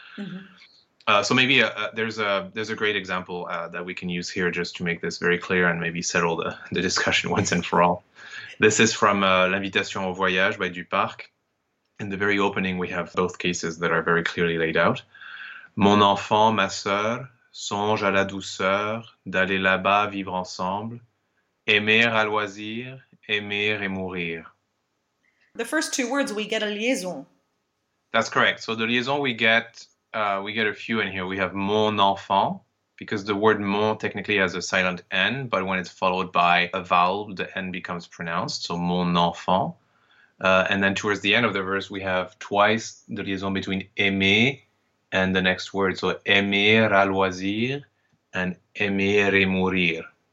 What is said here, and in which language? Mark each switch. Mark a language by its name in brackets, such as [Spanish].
[English] Mm-hmm. So maybe there's a great example that we can use here just to make this very clear and maybe settle the discussion once and for all. This is from L'Invitation au Voyage by Duparc. In the very opening, we have both cases that are very clearly laid out. [French] Mon enfant, ma sœur, songe à la douceur d'aller là-bas vivre ensemble, aimer à loisir, aimer et mourir. [English] The first two words, we get a liaison. That's correct. So the liaison, we get a few in here. We have [French] mon enfant, [English] because the word mon technically has a silent N, but when it's followed by a vowel, the N becomes pronounced, so mon enfant. And then towards the end of the verse, we have twice the liaison between aimer and the next word, so [French] aimer à loisir [English] and [French] aimer et mourir.